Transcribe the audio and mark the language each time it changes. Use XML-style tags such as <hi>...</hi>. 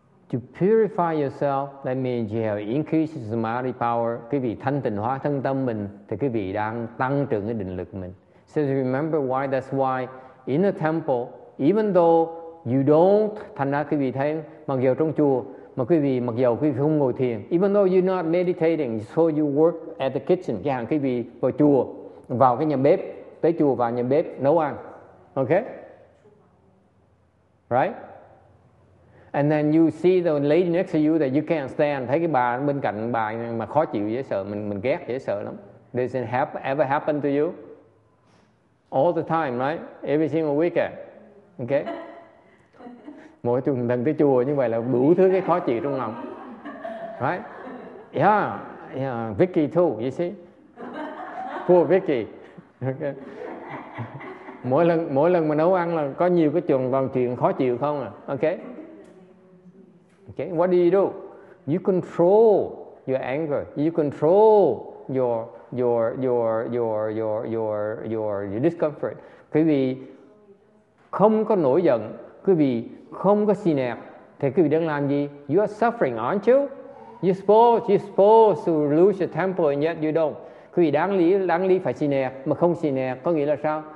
<en>To purify yourself, that means you have increased samadhi power.</en> <vi>Quý vị thanh tịnh hóa thân tâm mình, thì quý vị đang tăng trưởng cái định lực mình.</vi> <en>So remember why, that's why in a temple, even though you don't,</en> <vi>thành ra quý vị thấy, mặc dù trong chùa, mặc dù quý vị không ngồi thiền,</vi> <en>even though you're not meditating, so you work at the kitchen,</en> <vi>cái hàng quý vị vào chùa, vào cái nhà bếp, tới chùa vào nhà bếp nấu ăn.</vi> <en>Okay? Right? And then you see the lady next to you that you can't stand.</en> <vi>Thấy cái bà bên cạnh bà mà khó chịu dễ sợ, mình ghét dễ sợ lắm.</vi> <en>Does it ever happen to you? All the time, right? Every single weekend. Okay?</en> <vi>Mỗi tuần thần tới chùa như vậy là đủ thứ cái khó chịu trong lòng.</vi> <en>Right? Yeah. Vicky too, you see? Poor Vicky. Okay.</en> <vi>Mỗi lần mà nấu ăn là có nhiều cái chuyện khó chịu không à?</vi> <en>Okay? Okay, what do? You control your anger. You control your discomfort.</en> <vi>Quý vị không có nổi giận, quý vị không có xì nẹp, thì quý vị đang làm gì?</vi> <en>You are suffering, aren't you? You're supposed to lose your temper and yet you don't.</en> <vi>Quý vị đáng lý phải xì nẹp, mà không xì nẹp có nghĩa là sao?</vi>